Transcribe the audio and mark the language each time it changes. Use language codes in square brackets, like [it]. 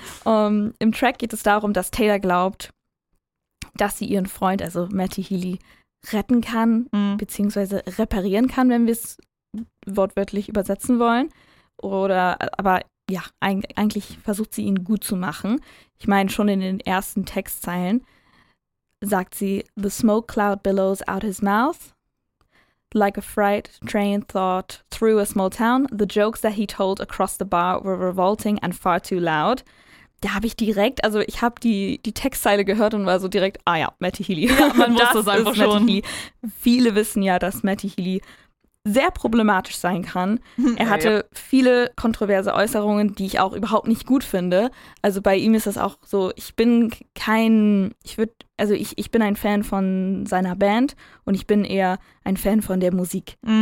[de] Im Track geht es darum, dass Taylor glaubt, dass sie ihren Freund, also Matty Healy, retten kann, beziehungsweise reparieren kann, wenn wir es wortwörtlich übersetzen wollen. Oder, aber ja, eigentlich versucht sie ihn gut zu machen. Ich meine, schon in den ersten Textzeilen sagt sie, [en] the smoke cloud billows out his mouth, like a freight train thought through a small town, the jokes that he told across the bar were revolting and far too loud. [de] Da habe ich direkt, also ich habe die Textzeile gehört und war so direkt, ah ja, Matty Healy. Ja, man wusste es einfach Matty schon. Healy. Viele wissen ja, dass Matty Healy sehr problematisch sein kann. Er hatte viele kontroverse Äußerungen, die ich auch überhaupt nicht gut finde. Also bei ihm ist das auch so, ich bin ein Fan von seiner Band und ich bin eher ein Fan von der Musik.